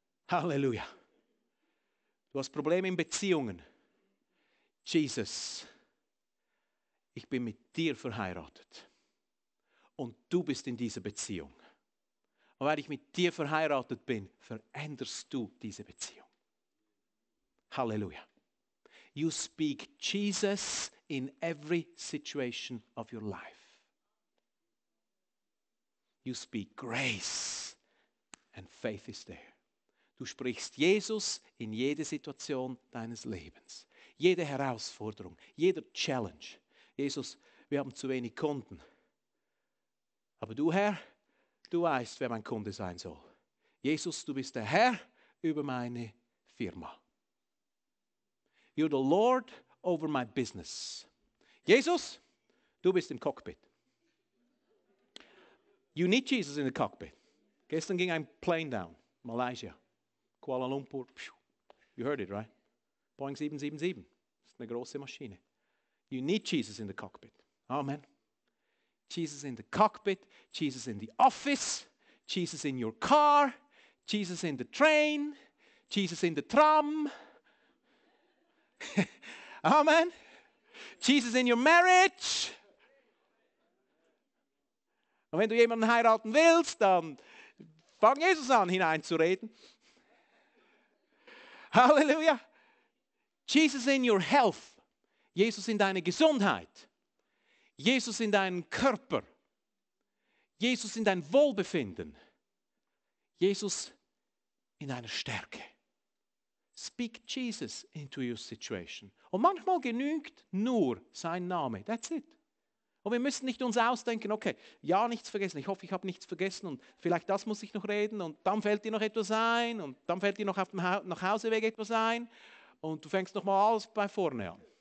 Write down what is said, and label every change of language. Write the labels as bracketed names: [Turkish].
[German] Halleluja. Du hast Probleme in Beziehungen. Jesus, ich bin mit dir verheiratet. Und du bist in dieser Beziehung. Und weil ich mit dir verheiratet bin, veränderst du diese Beziehung. Halleluja. [English] You speak Jesus in every situation of your life. You speak grace and faith is there. [German] Du sprichst Jesus in jede Situation deines Lebens. Jede Herausforderung, jeder Challenge. Jesus, wir haben zu wenig Kunden. Aber du, Herr, du weißt, wer mein Kunde sein soll. Jesus, du bist der Herr über meine Firma. [English] You're the Lord over my business. [German] Jesus, du bist im Cockpit. [English] You need Jesus in the cockpit. [German] Gestern ging ein [English] Plane down, Malaysia, Kuala Lumpur. You heard it, right? Boeing 777. [German] Das ist eine große Maschine. [English] You need Jesus in the cockpit. Amen. Jesus in the cockpit, Jesus in the office, Jesus in your car, Jesus in the train, Jesus in the tram. Amen. Jesus in your marriage. [German] Und wenn du jemanden heiraten willst, dann fang Jesus an, hineinzureden. [English] Halleluja. Jesus in your health. [German] Jesus in deine Gesundheit. Jesus in deinen Körper. Jesus in dein Wohlbefinden. Jesus in deiner Stärke. [English] Speak Jesus into your situation. [German] Und manchmal genügt nur sein Name. [English] That's it. [German] Und wir müssen nicht uns ausdenken, okay, ja, nichts vergessen. Ich hoffe, ich habe nichts vergessen. Und vielleicht das muss ich noch reden. Und dann fällt dir noch etwas ein. Und dann fällt dir noch auf dem Nachhauseweg etwas ein. Und du fängst nochmal alles bei vorne an.